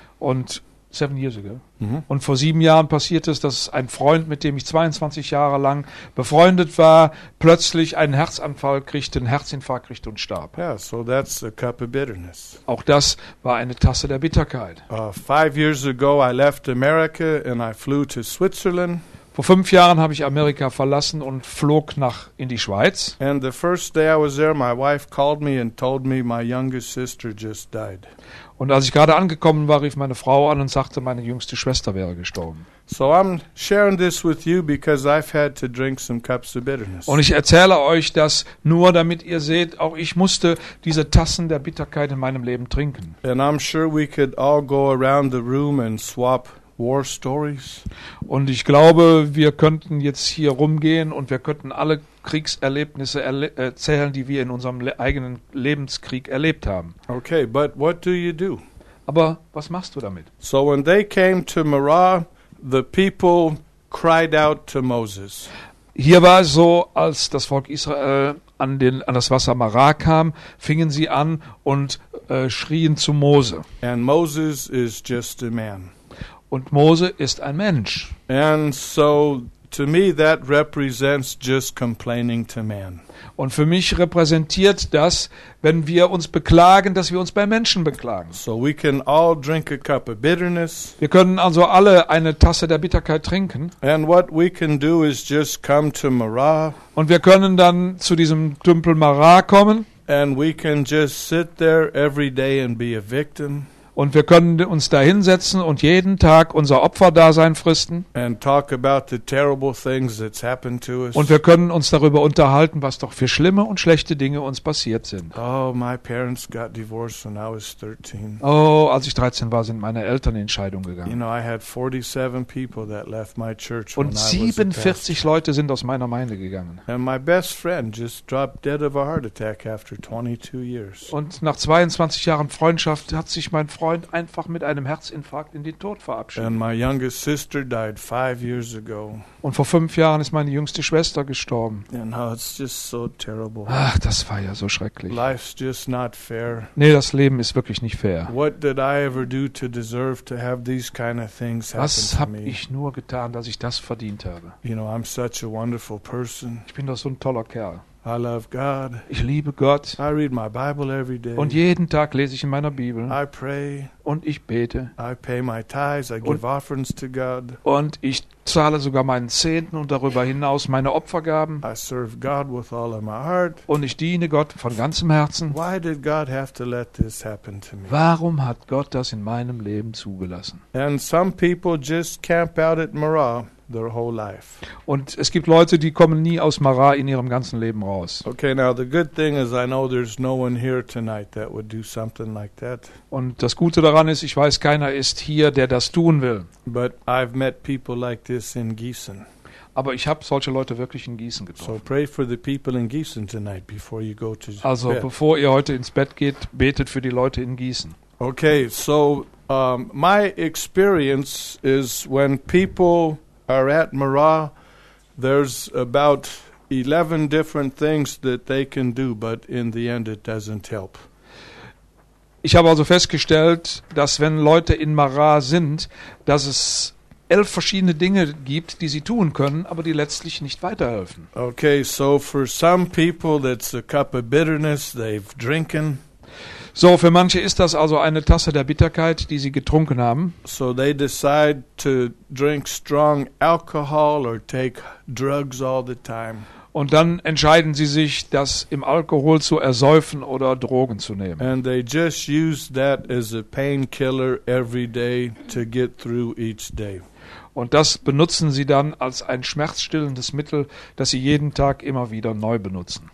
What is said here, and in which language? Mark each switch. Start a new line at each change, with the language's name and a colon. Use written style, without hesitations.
English: Und 7 years ago. Mm-hmm.
German: Und vor 7 Jahren passiert es, dass ein Freund, mit dem ich 22 Jahre lang befreundet war, plötzlich einen Herzanfall kriegte, einen Herzinfarkt kriegte und starb.
English: Yeah, so that's a cup of bitterness.
German: Auch das war eine Tasse der Bitterkeit.
English: 5 years ago I left America and I flew to Switzerland.
German: Vor 5 Jahren habe ich Amerika verlassen und flog in die Schweiz.
English: And the first day I was there, my wife called me and told me my youngest sister just died.
German: Und als ich gerade angekommen war, rief meine Frau an und sagte, meine jüngste Schwester wäre gestorben.
English: So I'm sharing this with you because I've had to drink some cups of bitterness.
German: Und ich erzähle euch das nur, damit ihr seht, auch ich musste diese Tassen der Bitterkeit in meinem Leben trinken.
English: And I'm sure we could all go around the room and swap war stories.
German: Und ich glaube, wir könnten jetzt hier rumgehen und wir könnten alle Kriegserlebnisse erzählen, die wir in unserem eigenen Lebenskrieg erlebt haben.
English: Okay, but what do you do?
German: Aber was machst du damit?
English: So when they came to Marah, the people cried out to Moses.
German: Hier war es so, als das Volk Israel an das Wasser Marah kam, fingen sie an und schrien zu Mose.
English: And Moses is just a man.
German: Und Mose ist ein Mensch.
English: And so to me that represents just complaining to man.
German: Und für mich repräsentiert das, wenn wir uns beklagen, dass wir uns bei Menschen beklagen.
English: So we can all drink a cup of bitterness.
German: Wir können also alle eine Tasse der Bitterkeit trinken.
English: And what we can do is just come to Marah.
German: Und wir können dann zu diesem Tümpel Marah kommen.
English: And we can just sit there every day and be a victim.
German: Und wir können uns da hinsetzen und jeden Tag unser Opferdasein fristen.
English: And talk about the terrible things that's happened to us.
German: Und wir können uns darüber unterhalten, was doch für schlimme und schlechte Dinge uns passiert sind.
English: Oh, my parents got divorced when I was 13.
German: Oh, als ich 13 war, sind meine Eltern in Scheidung gegangen.
English: You know, I had 47 people that left my church when I was a pastor.
German: Und 47 Leute sind aus meiner Gemeinde gegangen.
English: And my best friend just dropped dead of a heart attack after 22 years.
German: Und nach 22 Jahren Freundschaft hat sich mein Freund einfach mit einem Herzinfarkt in den Tod verabschiedet.
English: And my youngest sister died 5 years ago.
German: Und vor 5 Jahren ist meine jüngste Schwester gestorben.
English: Yeah, no, it's just so terrible.
German: Ach, das war ja so schrecklich.
English: Life's just not fair.
German: Nee, das Leben ist wirklich nicht fair.
English: What did I ever do to deserve to have these kind of things happen to me?
German: Was habe ich nur getan, dass ich das verdient habe?
English: You know, I'm such a wonderful person.
German: Ich bin doch so ein toller Kerl.
English: I love God.
German: Ich liebe Gott.
English: I read my Bible every day.
German: Und jeden Tag lese ich in meiner Bibel.
English: I pray.
German: Und ich bete.
English: I pay my tithes. I give offerings to God.
German: Und ich zahle sogar meinen Zehnten und darüber hinaus meine Opfergaben.
English: I serve God with all of my heart.
German: Und ich diene Gott von ganzem Herzen.
English: Why did God have to let this happen to me?
German: Warum hat Gott das in meinem Leben zugelassen?
English: And some people just camp out at Marah. Their whole life.
German: Und es gibt Leute, die kommen nie aus Marah in ihrem ganzen Leben raus.
English: Okay, now the good thing is I know there's no one here tonight that would do something like that.
German: Und das Gute daran ist, ich weiß, keiner ist hier, der das tun will.
English: But I've met people like this in Gießen.
German: Aber ich habe solche Leute wirklich in Gießen getroffen.
English: So pray for the people in Gießen tonight before you go to bed.
German: Also bevor ihr heute ins Bett geht, betet für die Leute in Gießen.
English: Okay, so my experience is when people are at Marah, there's about 11 different things that they can do, but in the end it doesn't help.
German: Ich habe also festgestellt, dass wenn Leute in Marah sind, dass es 11 verschiedene Dinge gibt, die sie tun können, aber die letztlich nicht weiterhelfen.
English: Okay, so for some people that's a cup of bitterness they've drinking.
German: So, für manche ist das also eine Tasse der Bitterkeit, die sie getrunken haben.
English: So they decide to drink strong alcohol or take drugs all the time.
German: Und dann entscheiden sie sich, das im Alkohol zu ersäufen oder Drogen zu nehmen.
English: And they just use that as a painkiller every day to get through each day.
German: Und das benutzen sie dann als ein schmerzstillendes Mittel, das sie jeden Tag immer wieder neu benutzen.